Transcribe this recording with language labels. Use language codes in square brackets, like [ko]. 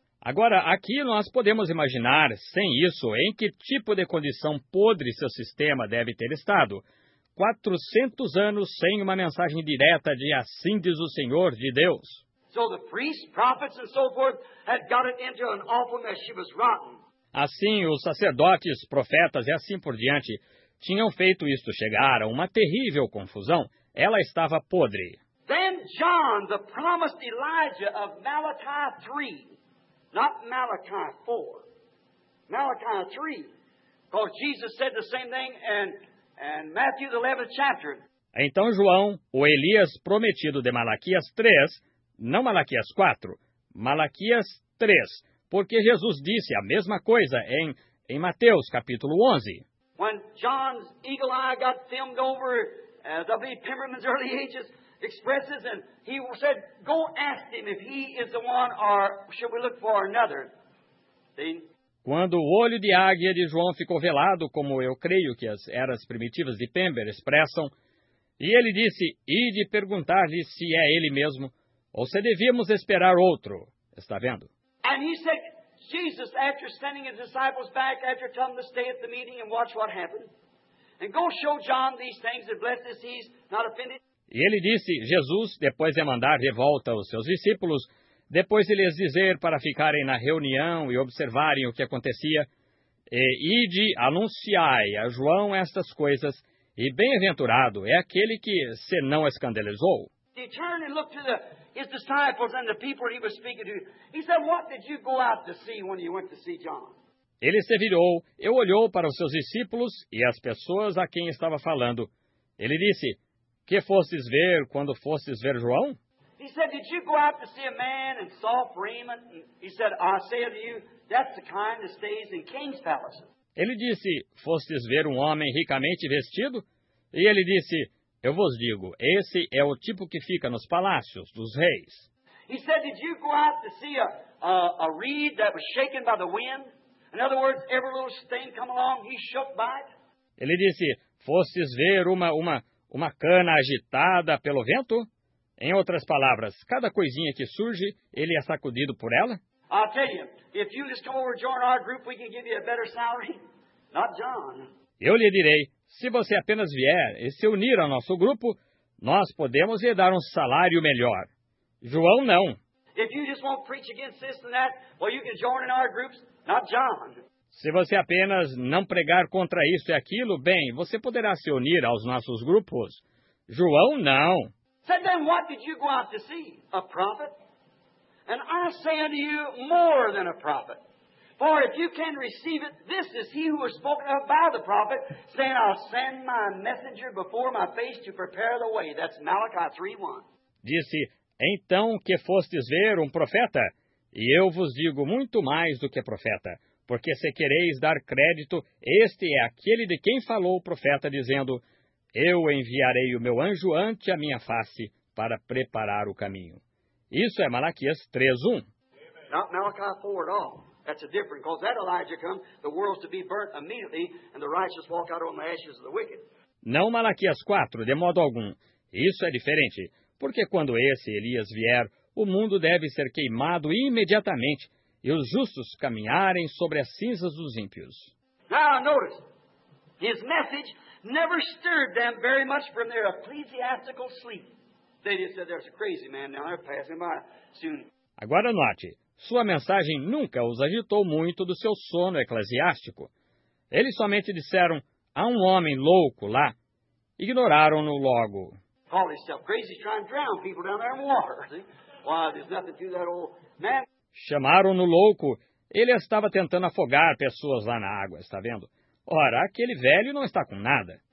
[pt] Agora, aqui nós podemos imaginar, sem isso, em que tipo de condição podre seu sistema deve ter estado. 400 anos sem uma mensagem direta de assim diz o Senhor de Deus. [en] So the priests, prophets and so forth had got it into an awful mess. She was rotten. [pt] Assim, os sacerdotes, profetas e assim por diante tinham feito isto chegar a uma terrível confusão. Ela estava podre. [en] Then John, the promised Elijah of Malachi 3, not Malachi 4, Malachi 3, because Jesus said the same thing in Matthew, the 11th chapter. [pt] Então João, o Elias prometido de Malaquias 3, não Malaquias 4, Malaquias 3, porque Jesus disse a mesma coisa em Mateus, capítulo 11. [en] When John's eagle eye got filmed over W. Timmerman's early ages, expresses, and he said, go ask him if he is the one, or should we look for another? See? [pt] Quando o olho de águia de João ficou velado, como eu creio que as eras primitivas de Pember expressam, e ele disse, ide perguntar-lhe se é ele mesmo, ou se devíamos esperar outro. Está vendo? [en] And he said, Jesus, after sending his disciples back, after telling them to stay at the meeting and watch what happened, and go show John these things, and blessed is he, not offended. [pt] E ele disse, Jesus, depois de mandar de volta os seus discípulos, depois de lhes dizer para ficarem na reunião e observarem o que acontecia, e ide, anunciai a João estas coisas, e bem-aventurado é aquele que se não escandalizou. [en] He turned and looked to his disciples and the people he was speaking to. He said, what did you go out to see when you went to see John? [pt] Ele se virou, eu olhou para os seus discípulos e as pessoas a quem estava falando. Ele disse, que fostes ver quando fostes ver João? [en] He said, did you go out to see a man in soft raiment? He said, I say to you, that's the kind that stays in king's palaces. [pt] Ele disse, fostes ver um homem ricamente vestido? E ele disse, eu vos digo, esse é o tipo que fica nos palácios dos reis. [en] He said, did you go out to see a reed that was shaken by the wind? In other words, every little stain come along, he shook by it. [pt] Ele disse, fostes ver uma cana agitada pelo vento? Em outras palavras, cada coisinha que surge, ele é sacudido por ela? [en] I'll tell you, if you just come over and join our group, we can give you a better salary. Not John. [pt] Eu lhe direi, se você apenas vier e se unir ao nosso grupo, nós podemos lhe dar um salário melhor. João, não. [en] If you just won't preach against this and that, well, you can join in our groups. Not John. [pt] Se você apenas não pregar contra isso e aquilo, bem, você poderá se unir aos nossos grupos. João, não. [en] Said, then what did you go out to see? A prophet? And I say unto you, more than a prophet. For if you can receive it, this is he who was spoken of by the prophet, saying, I'll send my messenger before my face to prepare the way. That's Malachi 3:1. [pt] Disse, então que fostes ver um profeta? E eu vos digo muito mais do que profeta, porque se quereis dar crédito, este é aquele de quem falou o profeta, dizendo, eu enviarei o meu anjo ante a minha face para preparar o caminho. Isso é Malaquias 3:1. [en] Not Malachi 4 at all. That's a difference, because that Elijah come, the world's to be burnt immediately, and the righteous walk out on the ashes of the wicked. [pt] Não Malaquias 4, de modo algum. Isso é diferente, porque quando esse Elias vier, o mundo deve ser queimado imediatamente e os justos caminharem sobre as cinzas dos ímpios. [en] Now, notice, his message never stirred them very much from their ecclesiastical sleep. They just said, there's a crazy man now, they're passing by soon. [pt] Agora note, sua mensagem nunca os agitou muito do seu sono eclesiástico. Eles somente disseram, há um homem louco lá. Ignoraram-no logo. [en] Call himself crazy, trying to drown people down there in water, see? Why, there's nothing to that old man. [pt] Chamaram-no louco. Ele estava tentando afogar pessoas lá na água, está vendo? Ora, aquele velho não está com nada.